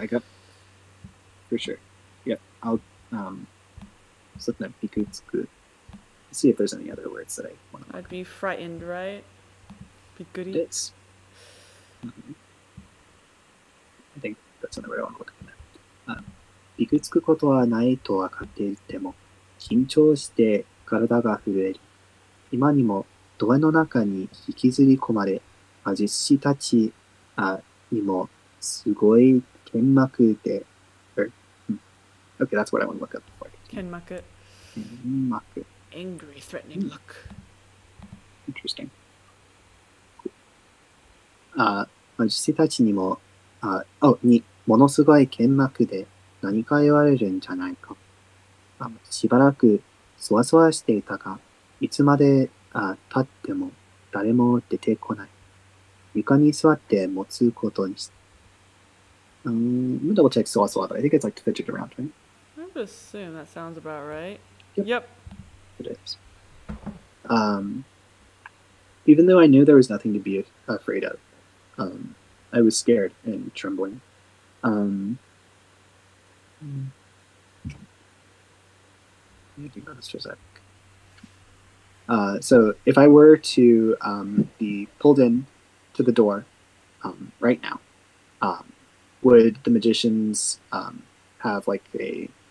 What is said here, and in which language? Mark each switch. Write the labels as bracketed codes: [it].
[en] I got for sure. Yep. I'll slip that piku tsuku. See if there's any other words that I want to learn. I'd be frightened, right? Pikuri. This. Mm-hmm. I think that's another way I want to look at. [ja] びくつくことはないと分かっていても、緊張して体が震える。今にも、ドアの中に引きずり込まれ、魔術師たちにも、すごい剣幕で、 [en] Okay, that's what I want to look up for. [ja] 剣幕。剣幕。 [en] Angry, threatening look. Interesting. [ja] 魔術師たちにも、に、ものすごい剣幕で、何か言われるんじゃないか。しばらくそわそわしていたが、いつまで立っても誰も出てこない。床に座って持つことにした。 [en] I'm gonna double check そわそわ but I think it's like fidget around, right? I'm gonna assume that sounds about right. Yep. It is. Even though I knew there was nothing to be afraid of, I was scared and trembling. So if I were to be pulled in to the door right now, would the magicians have like a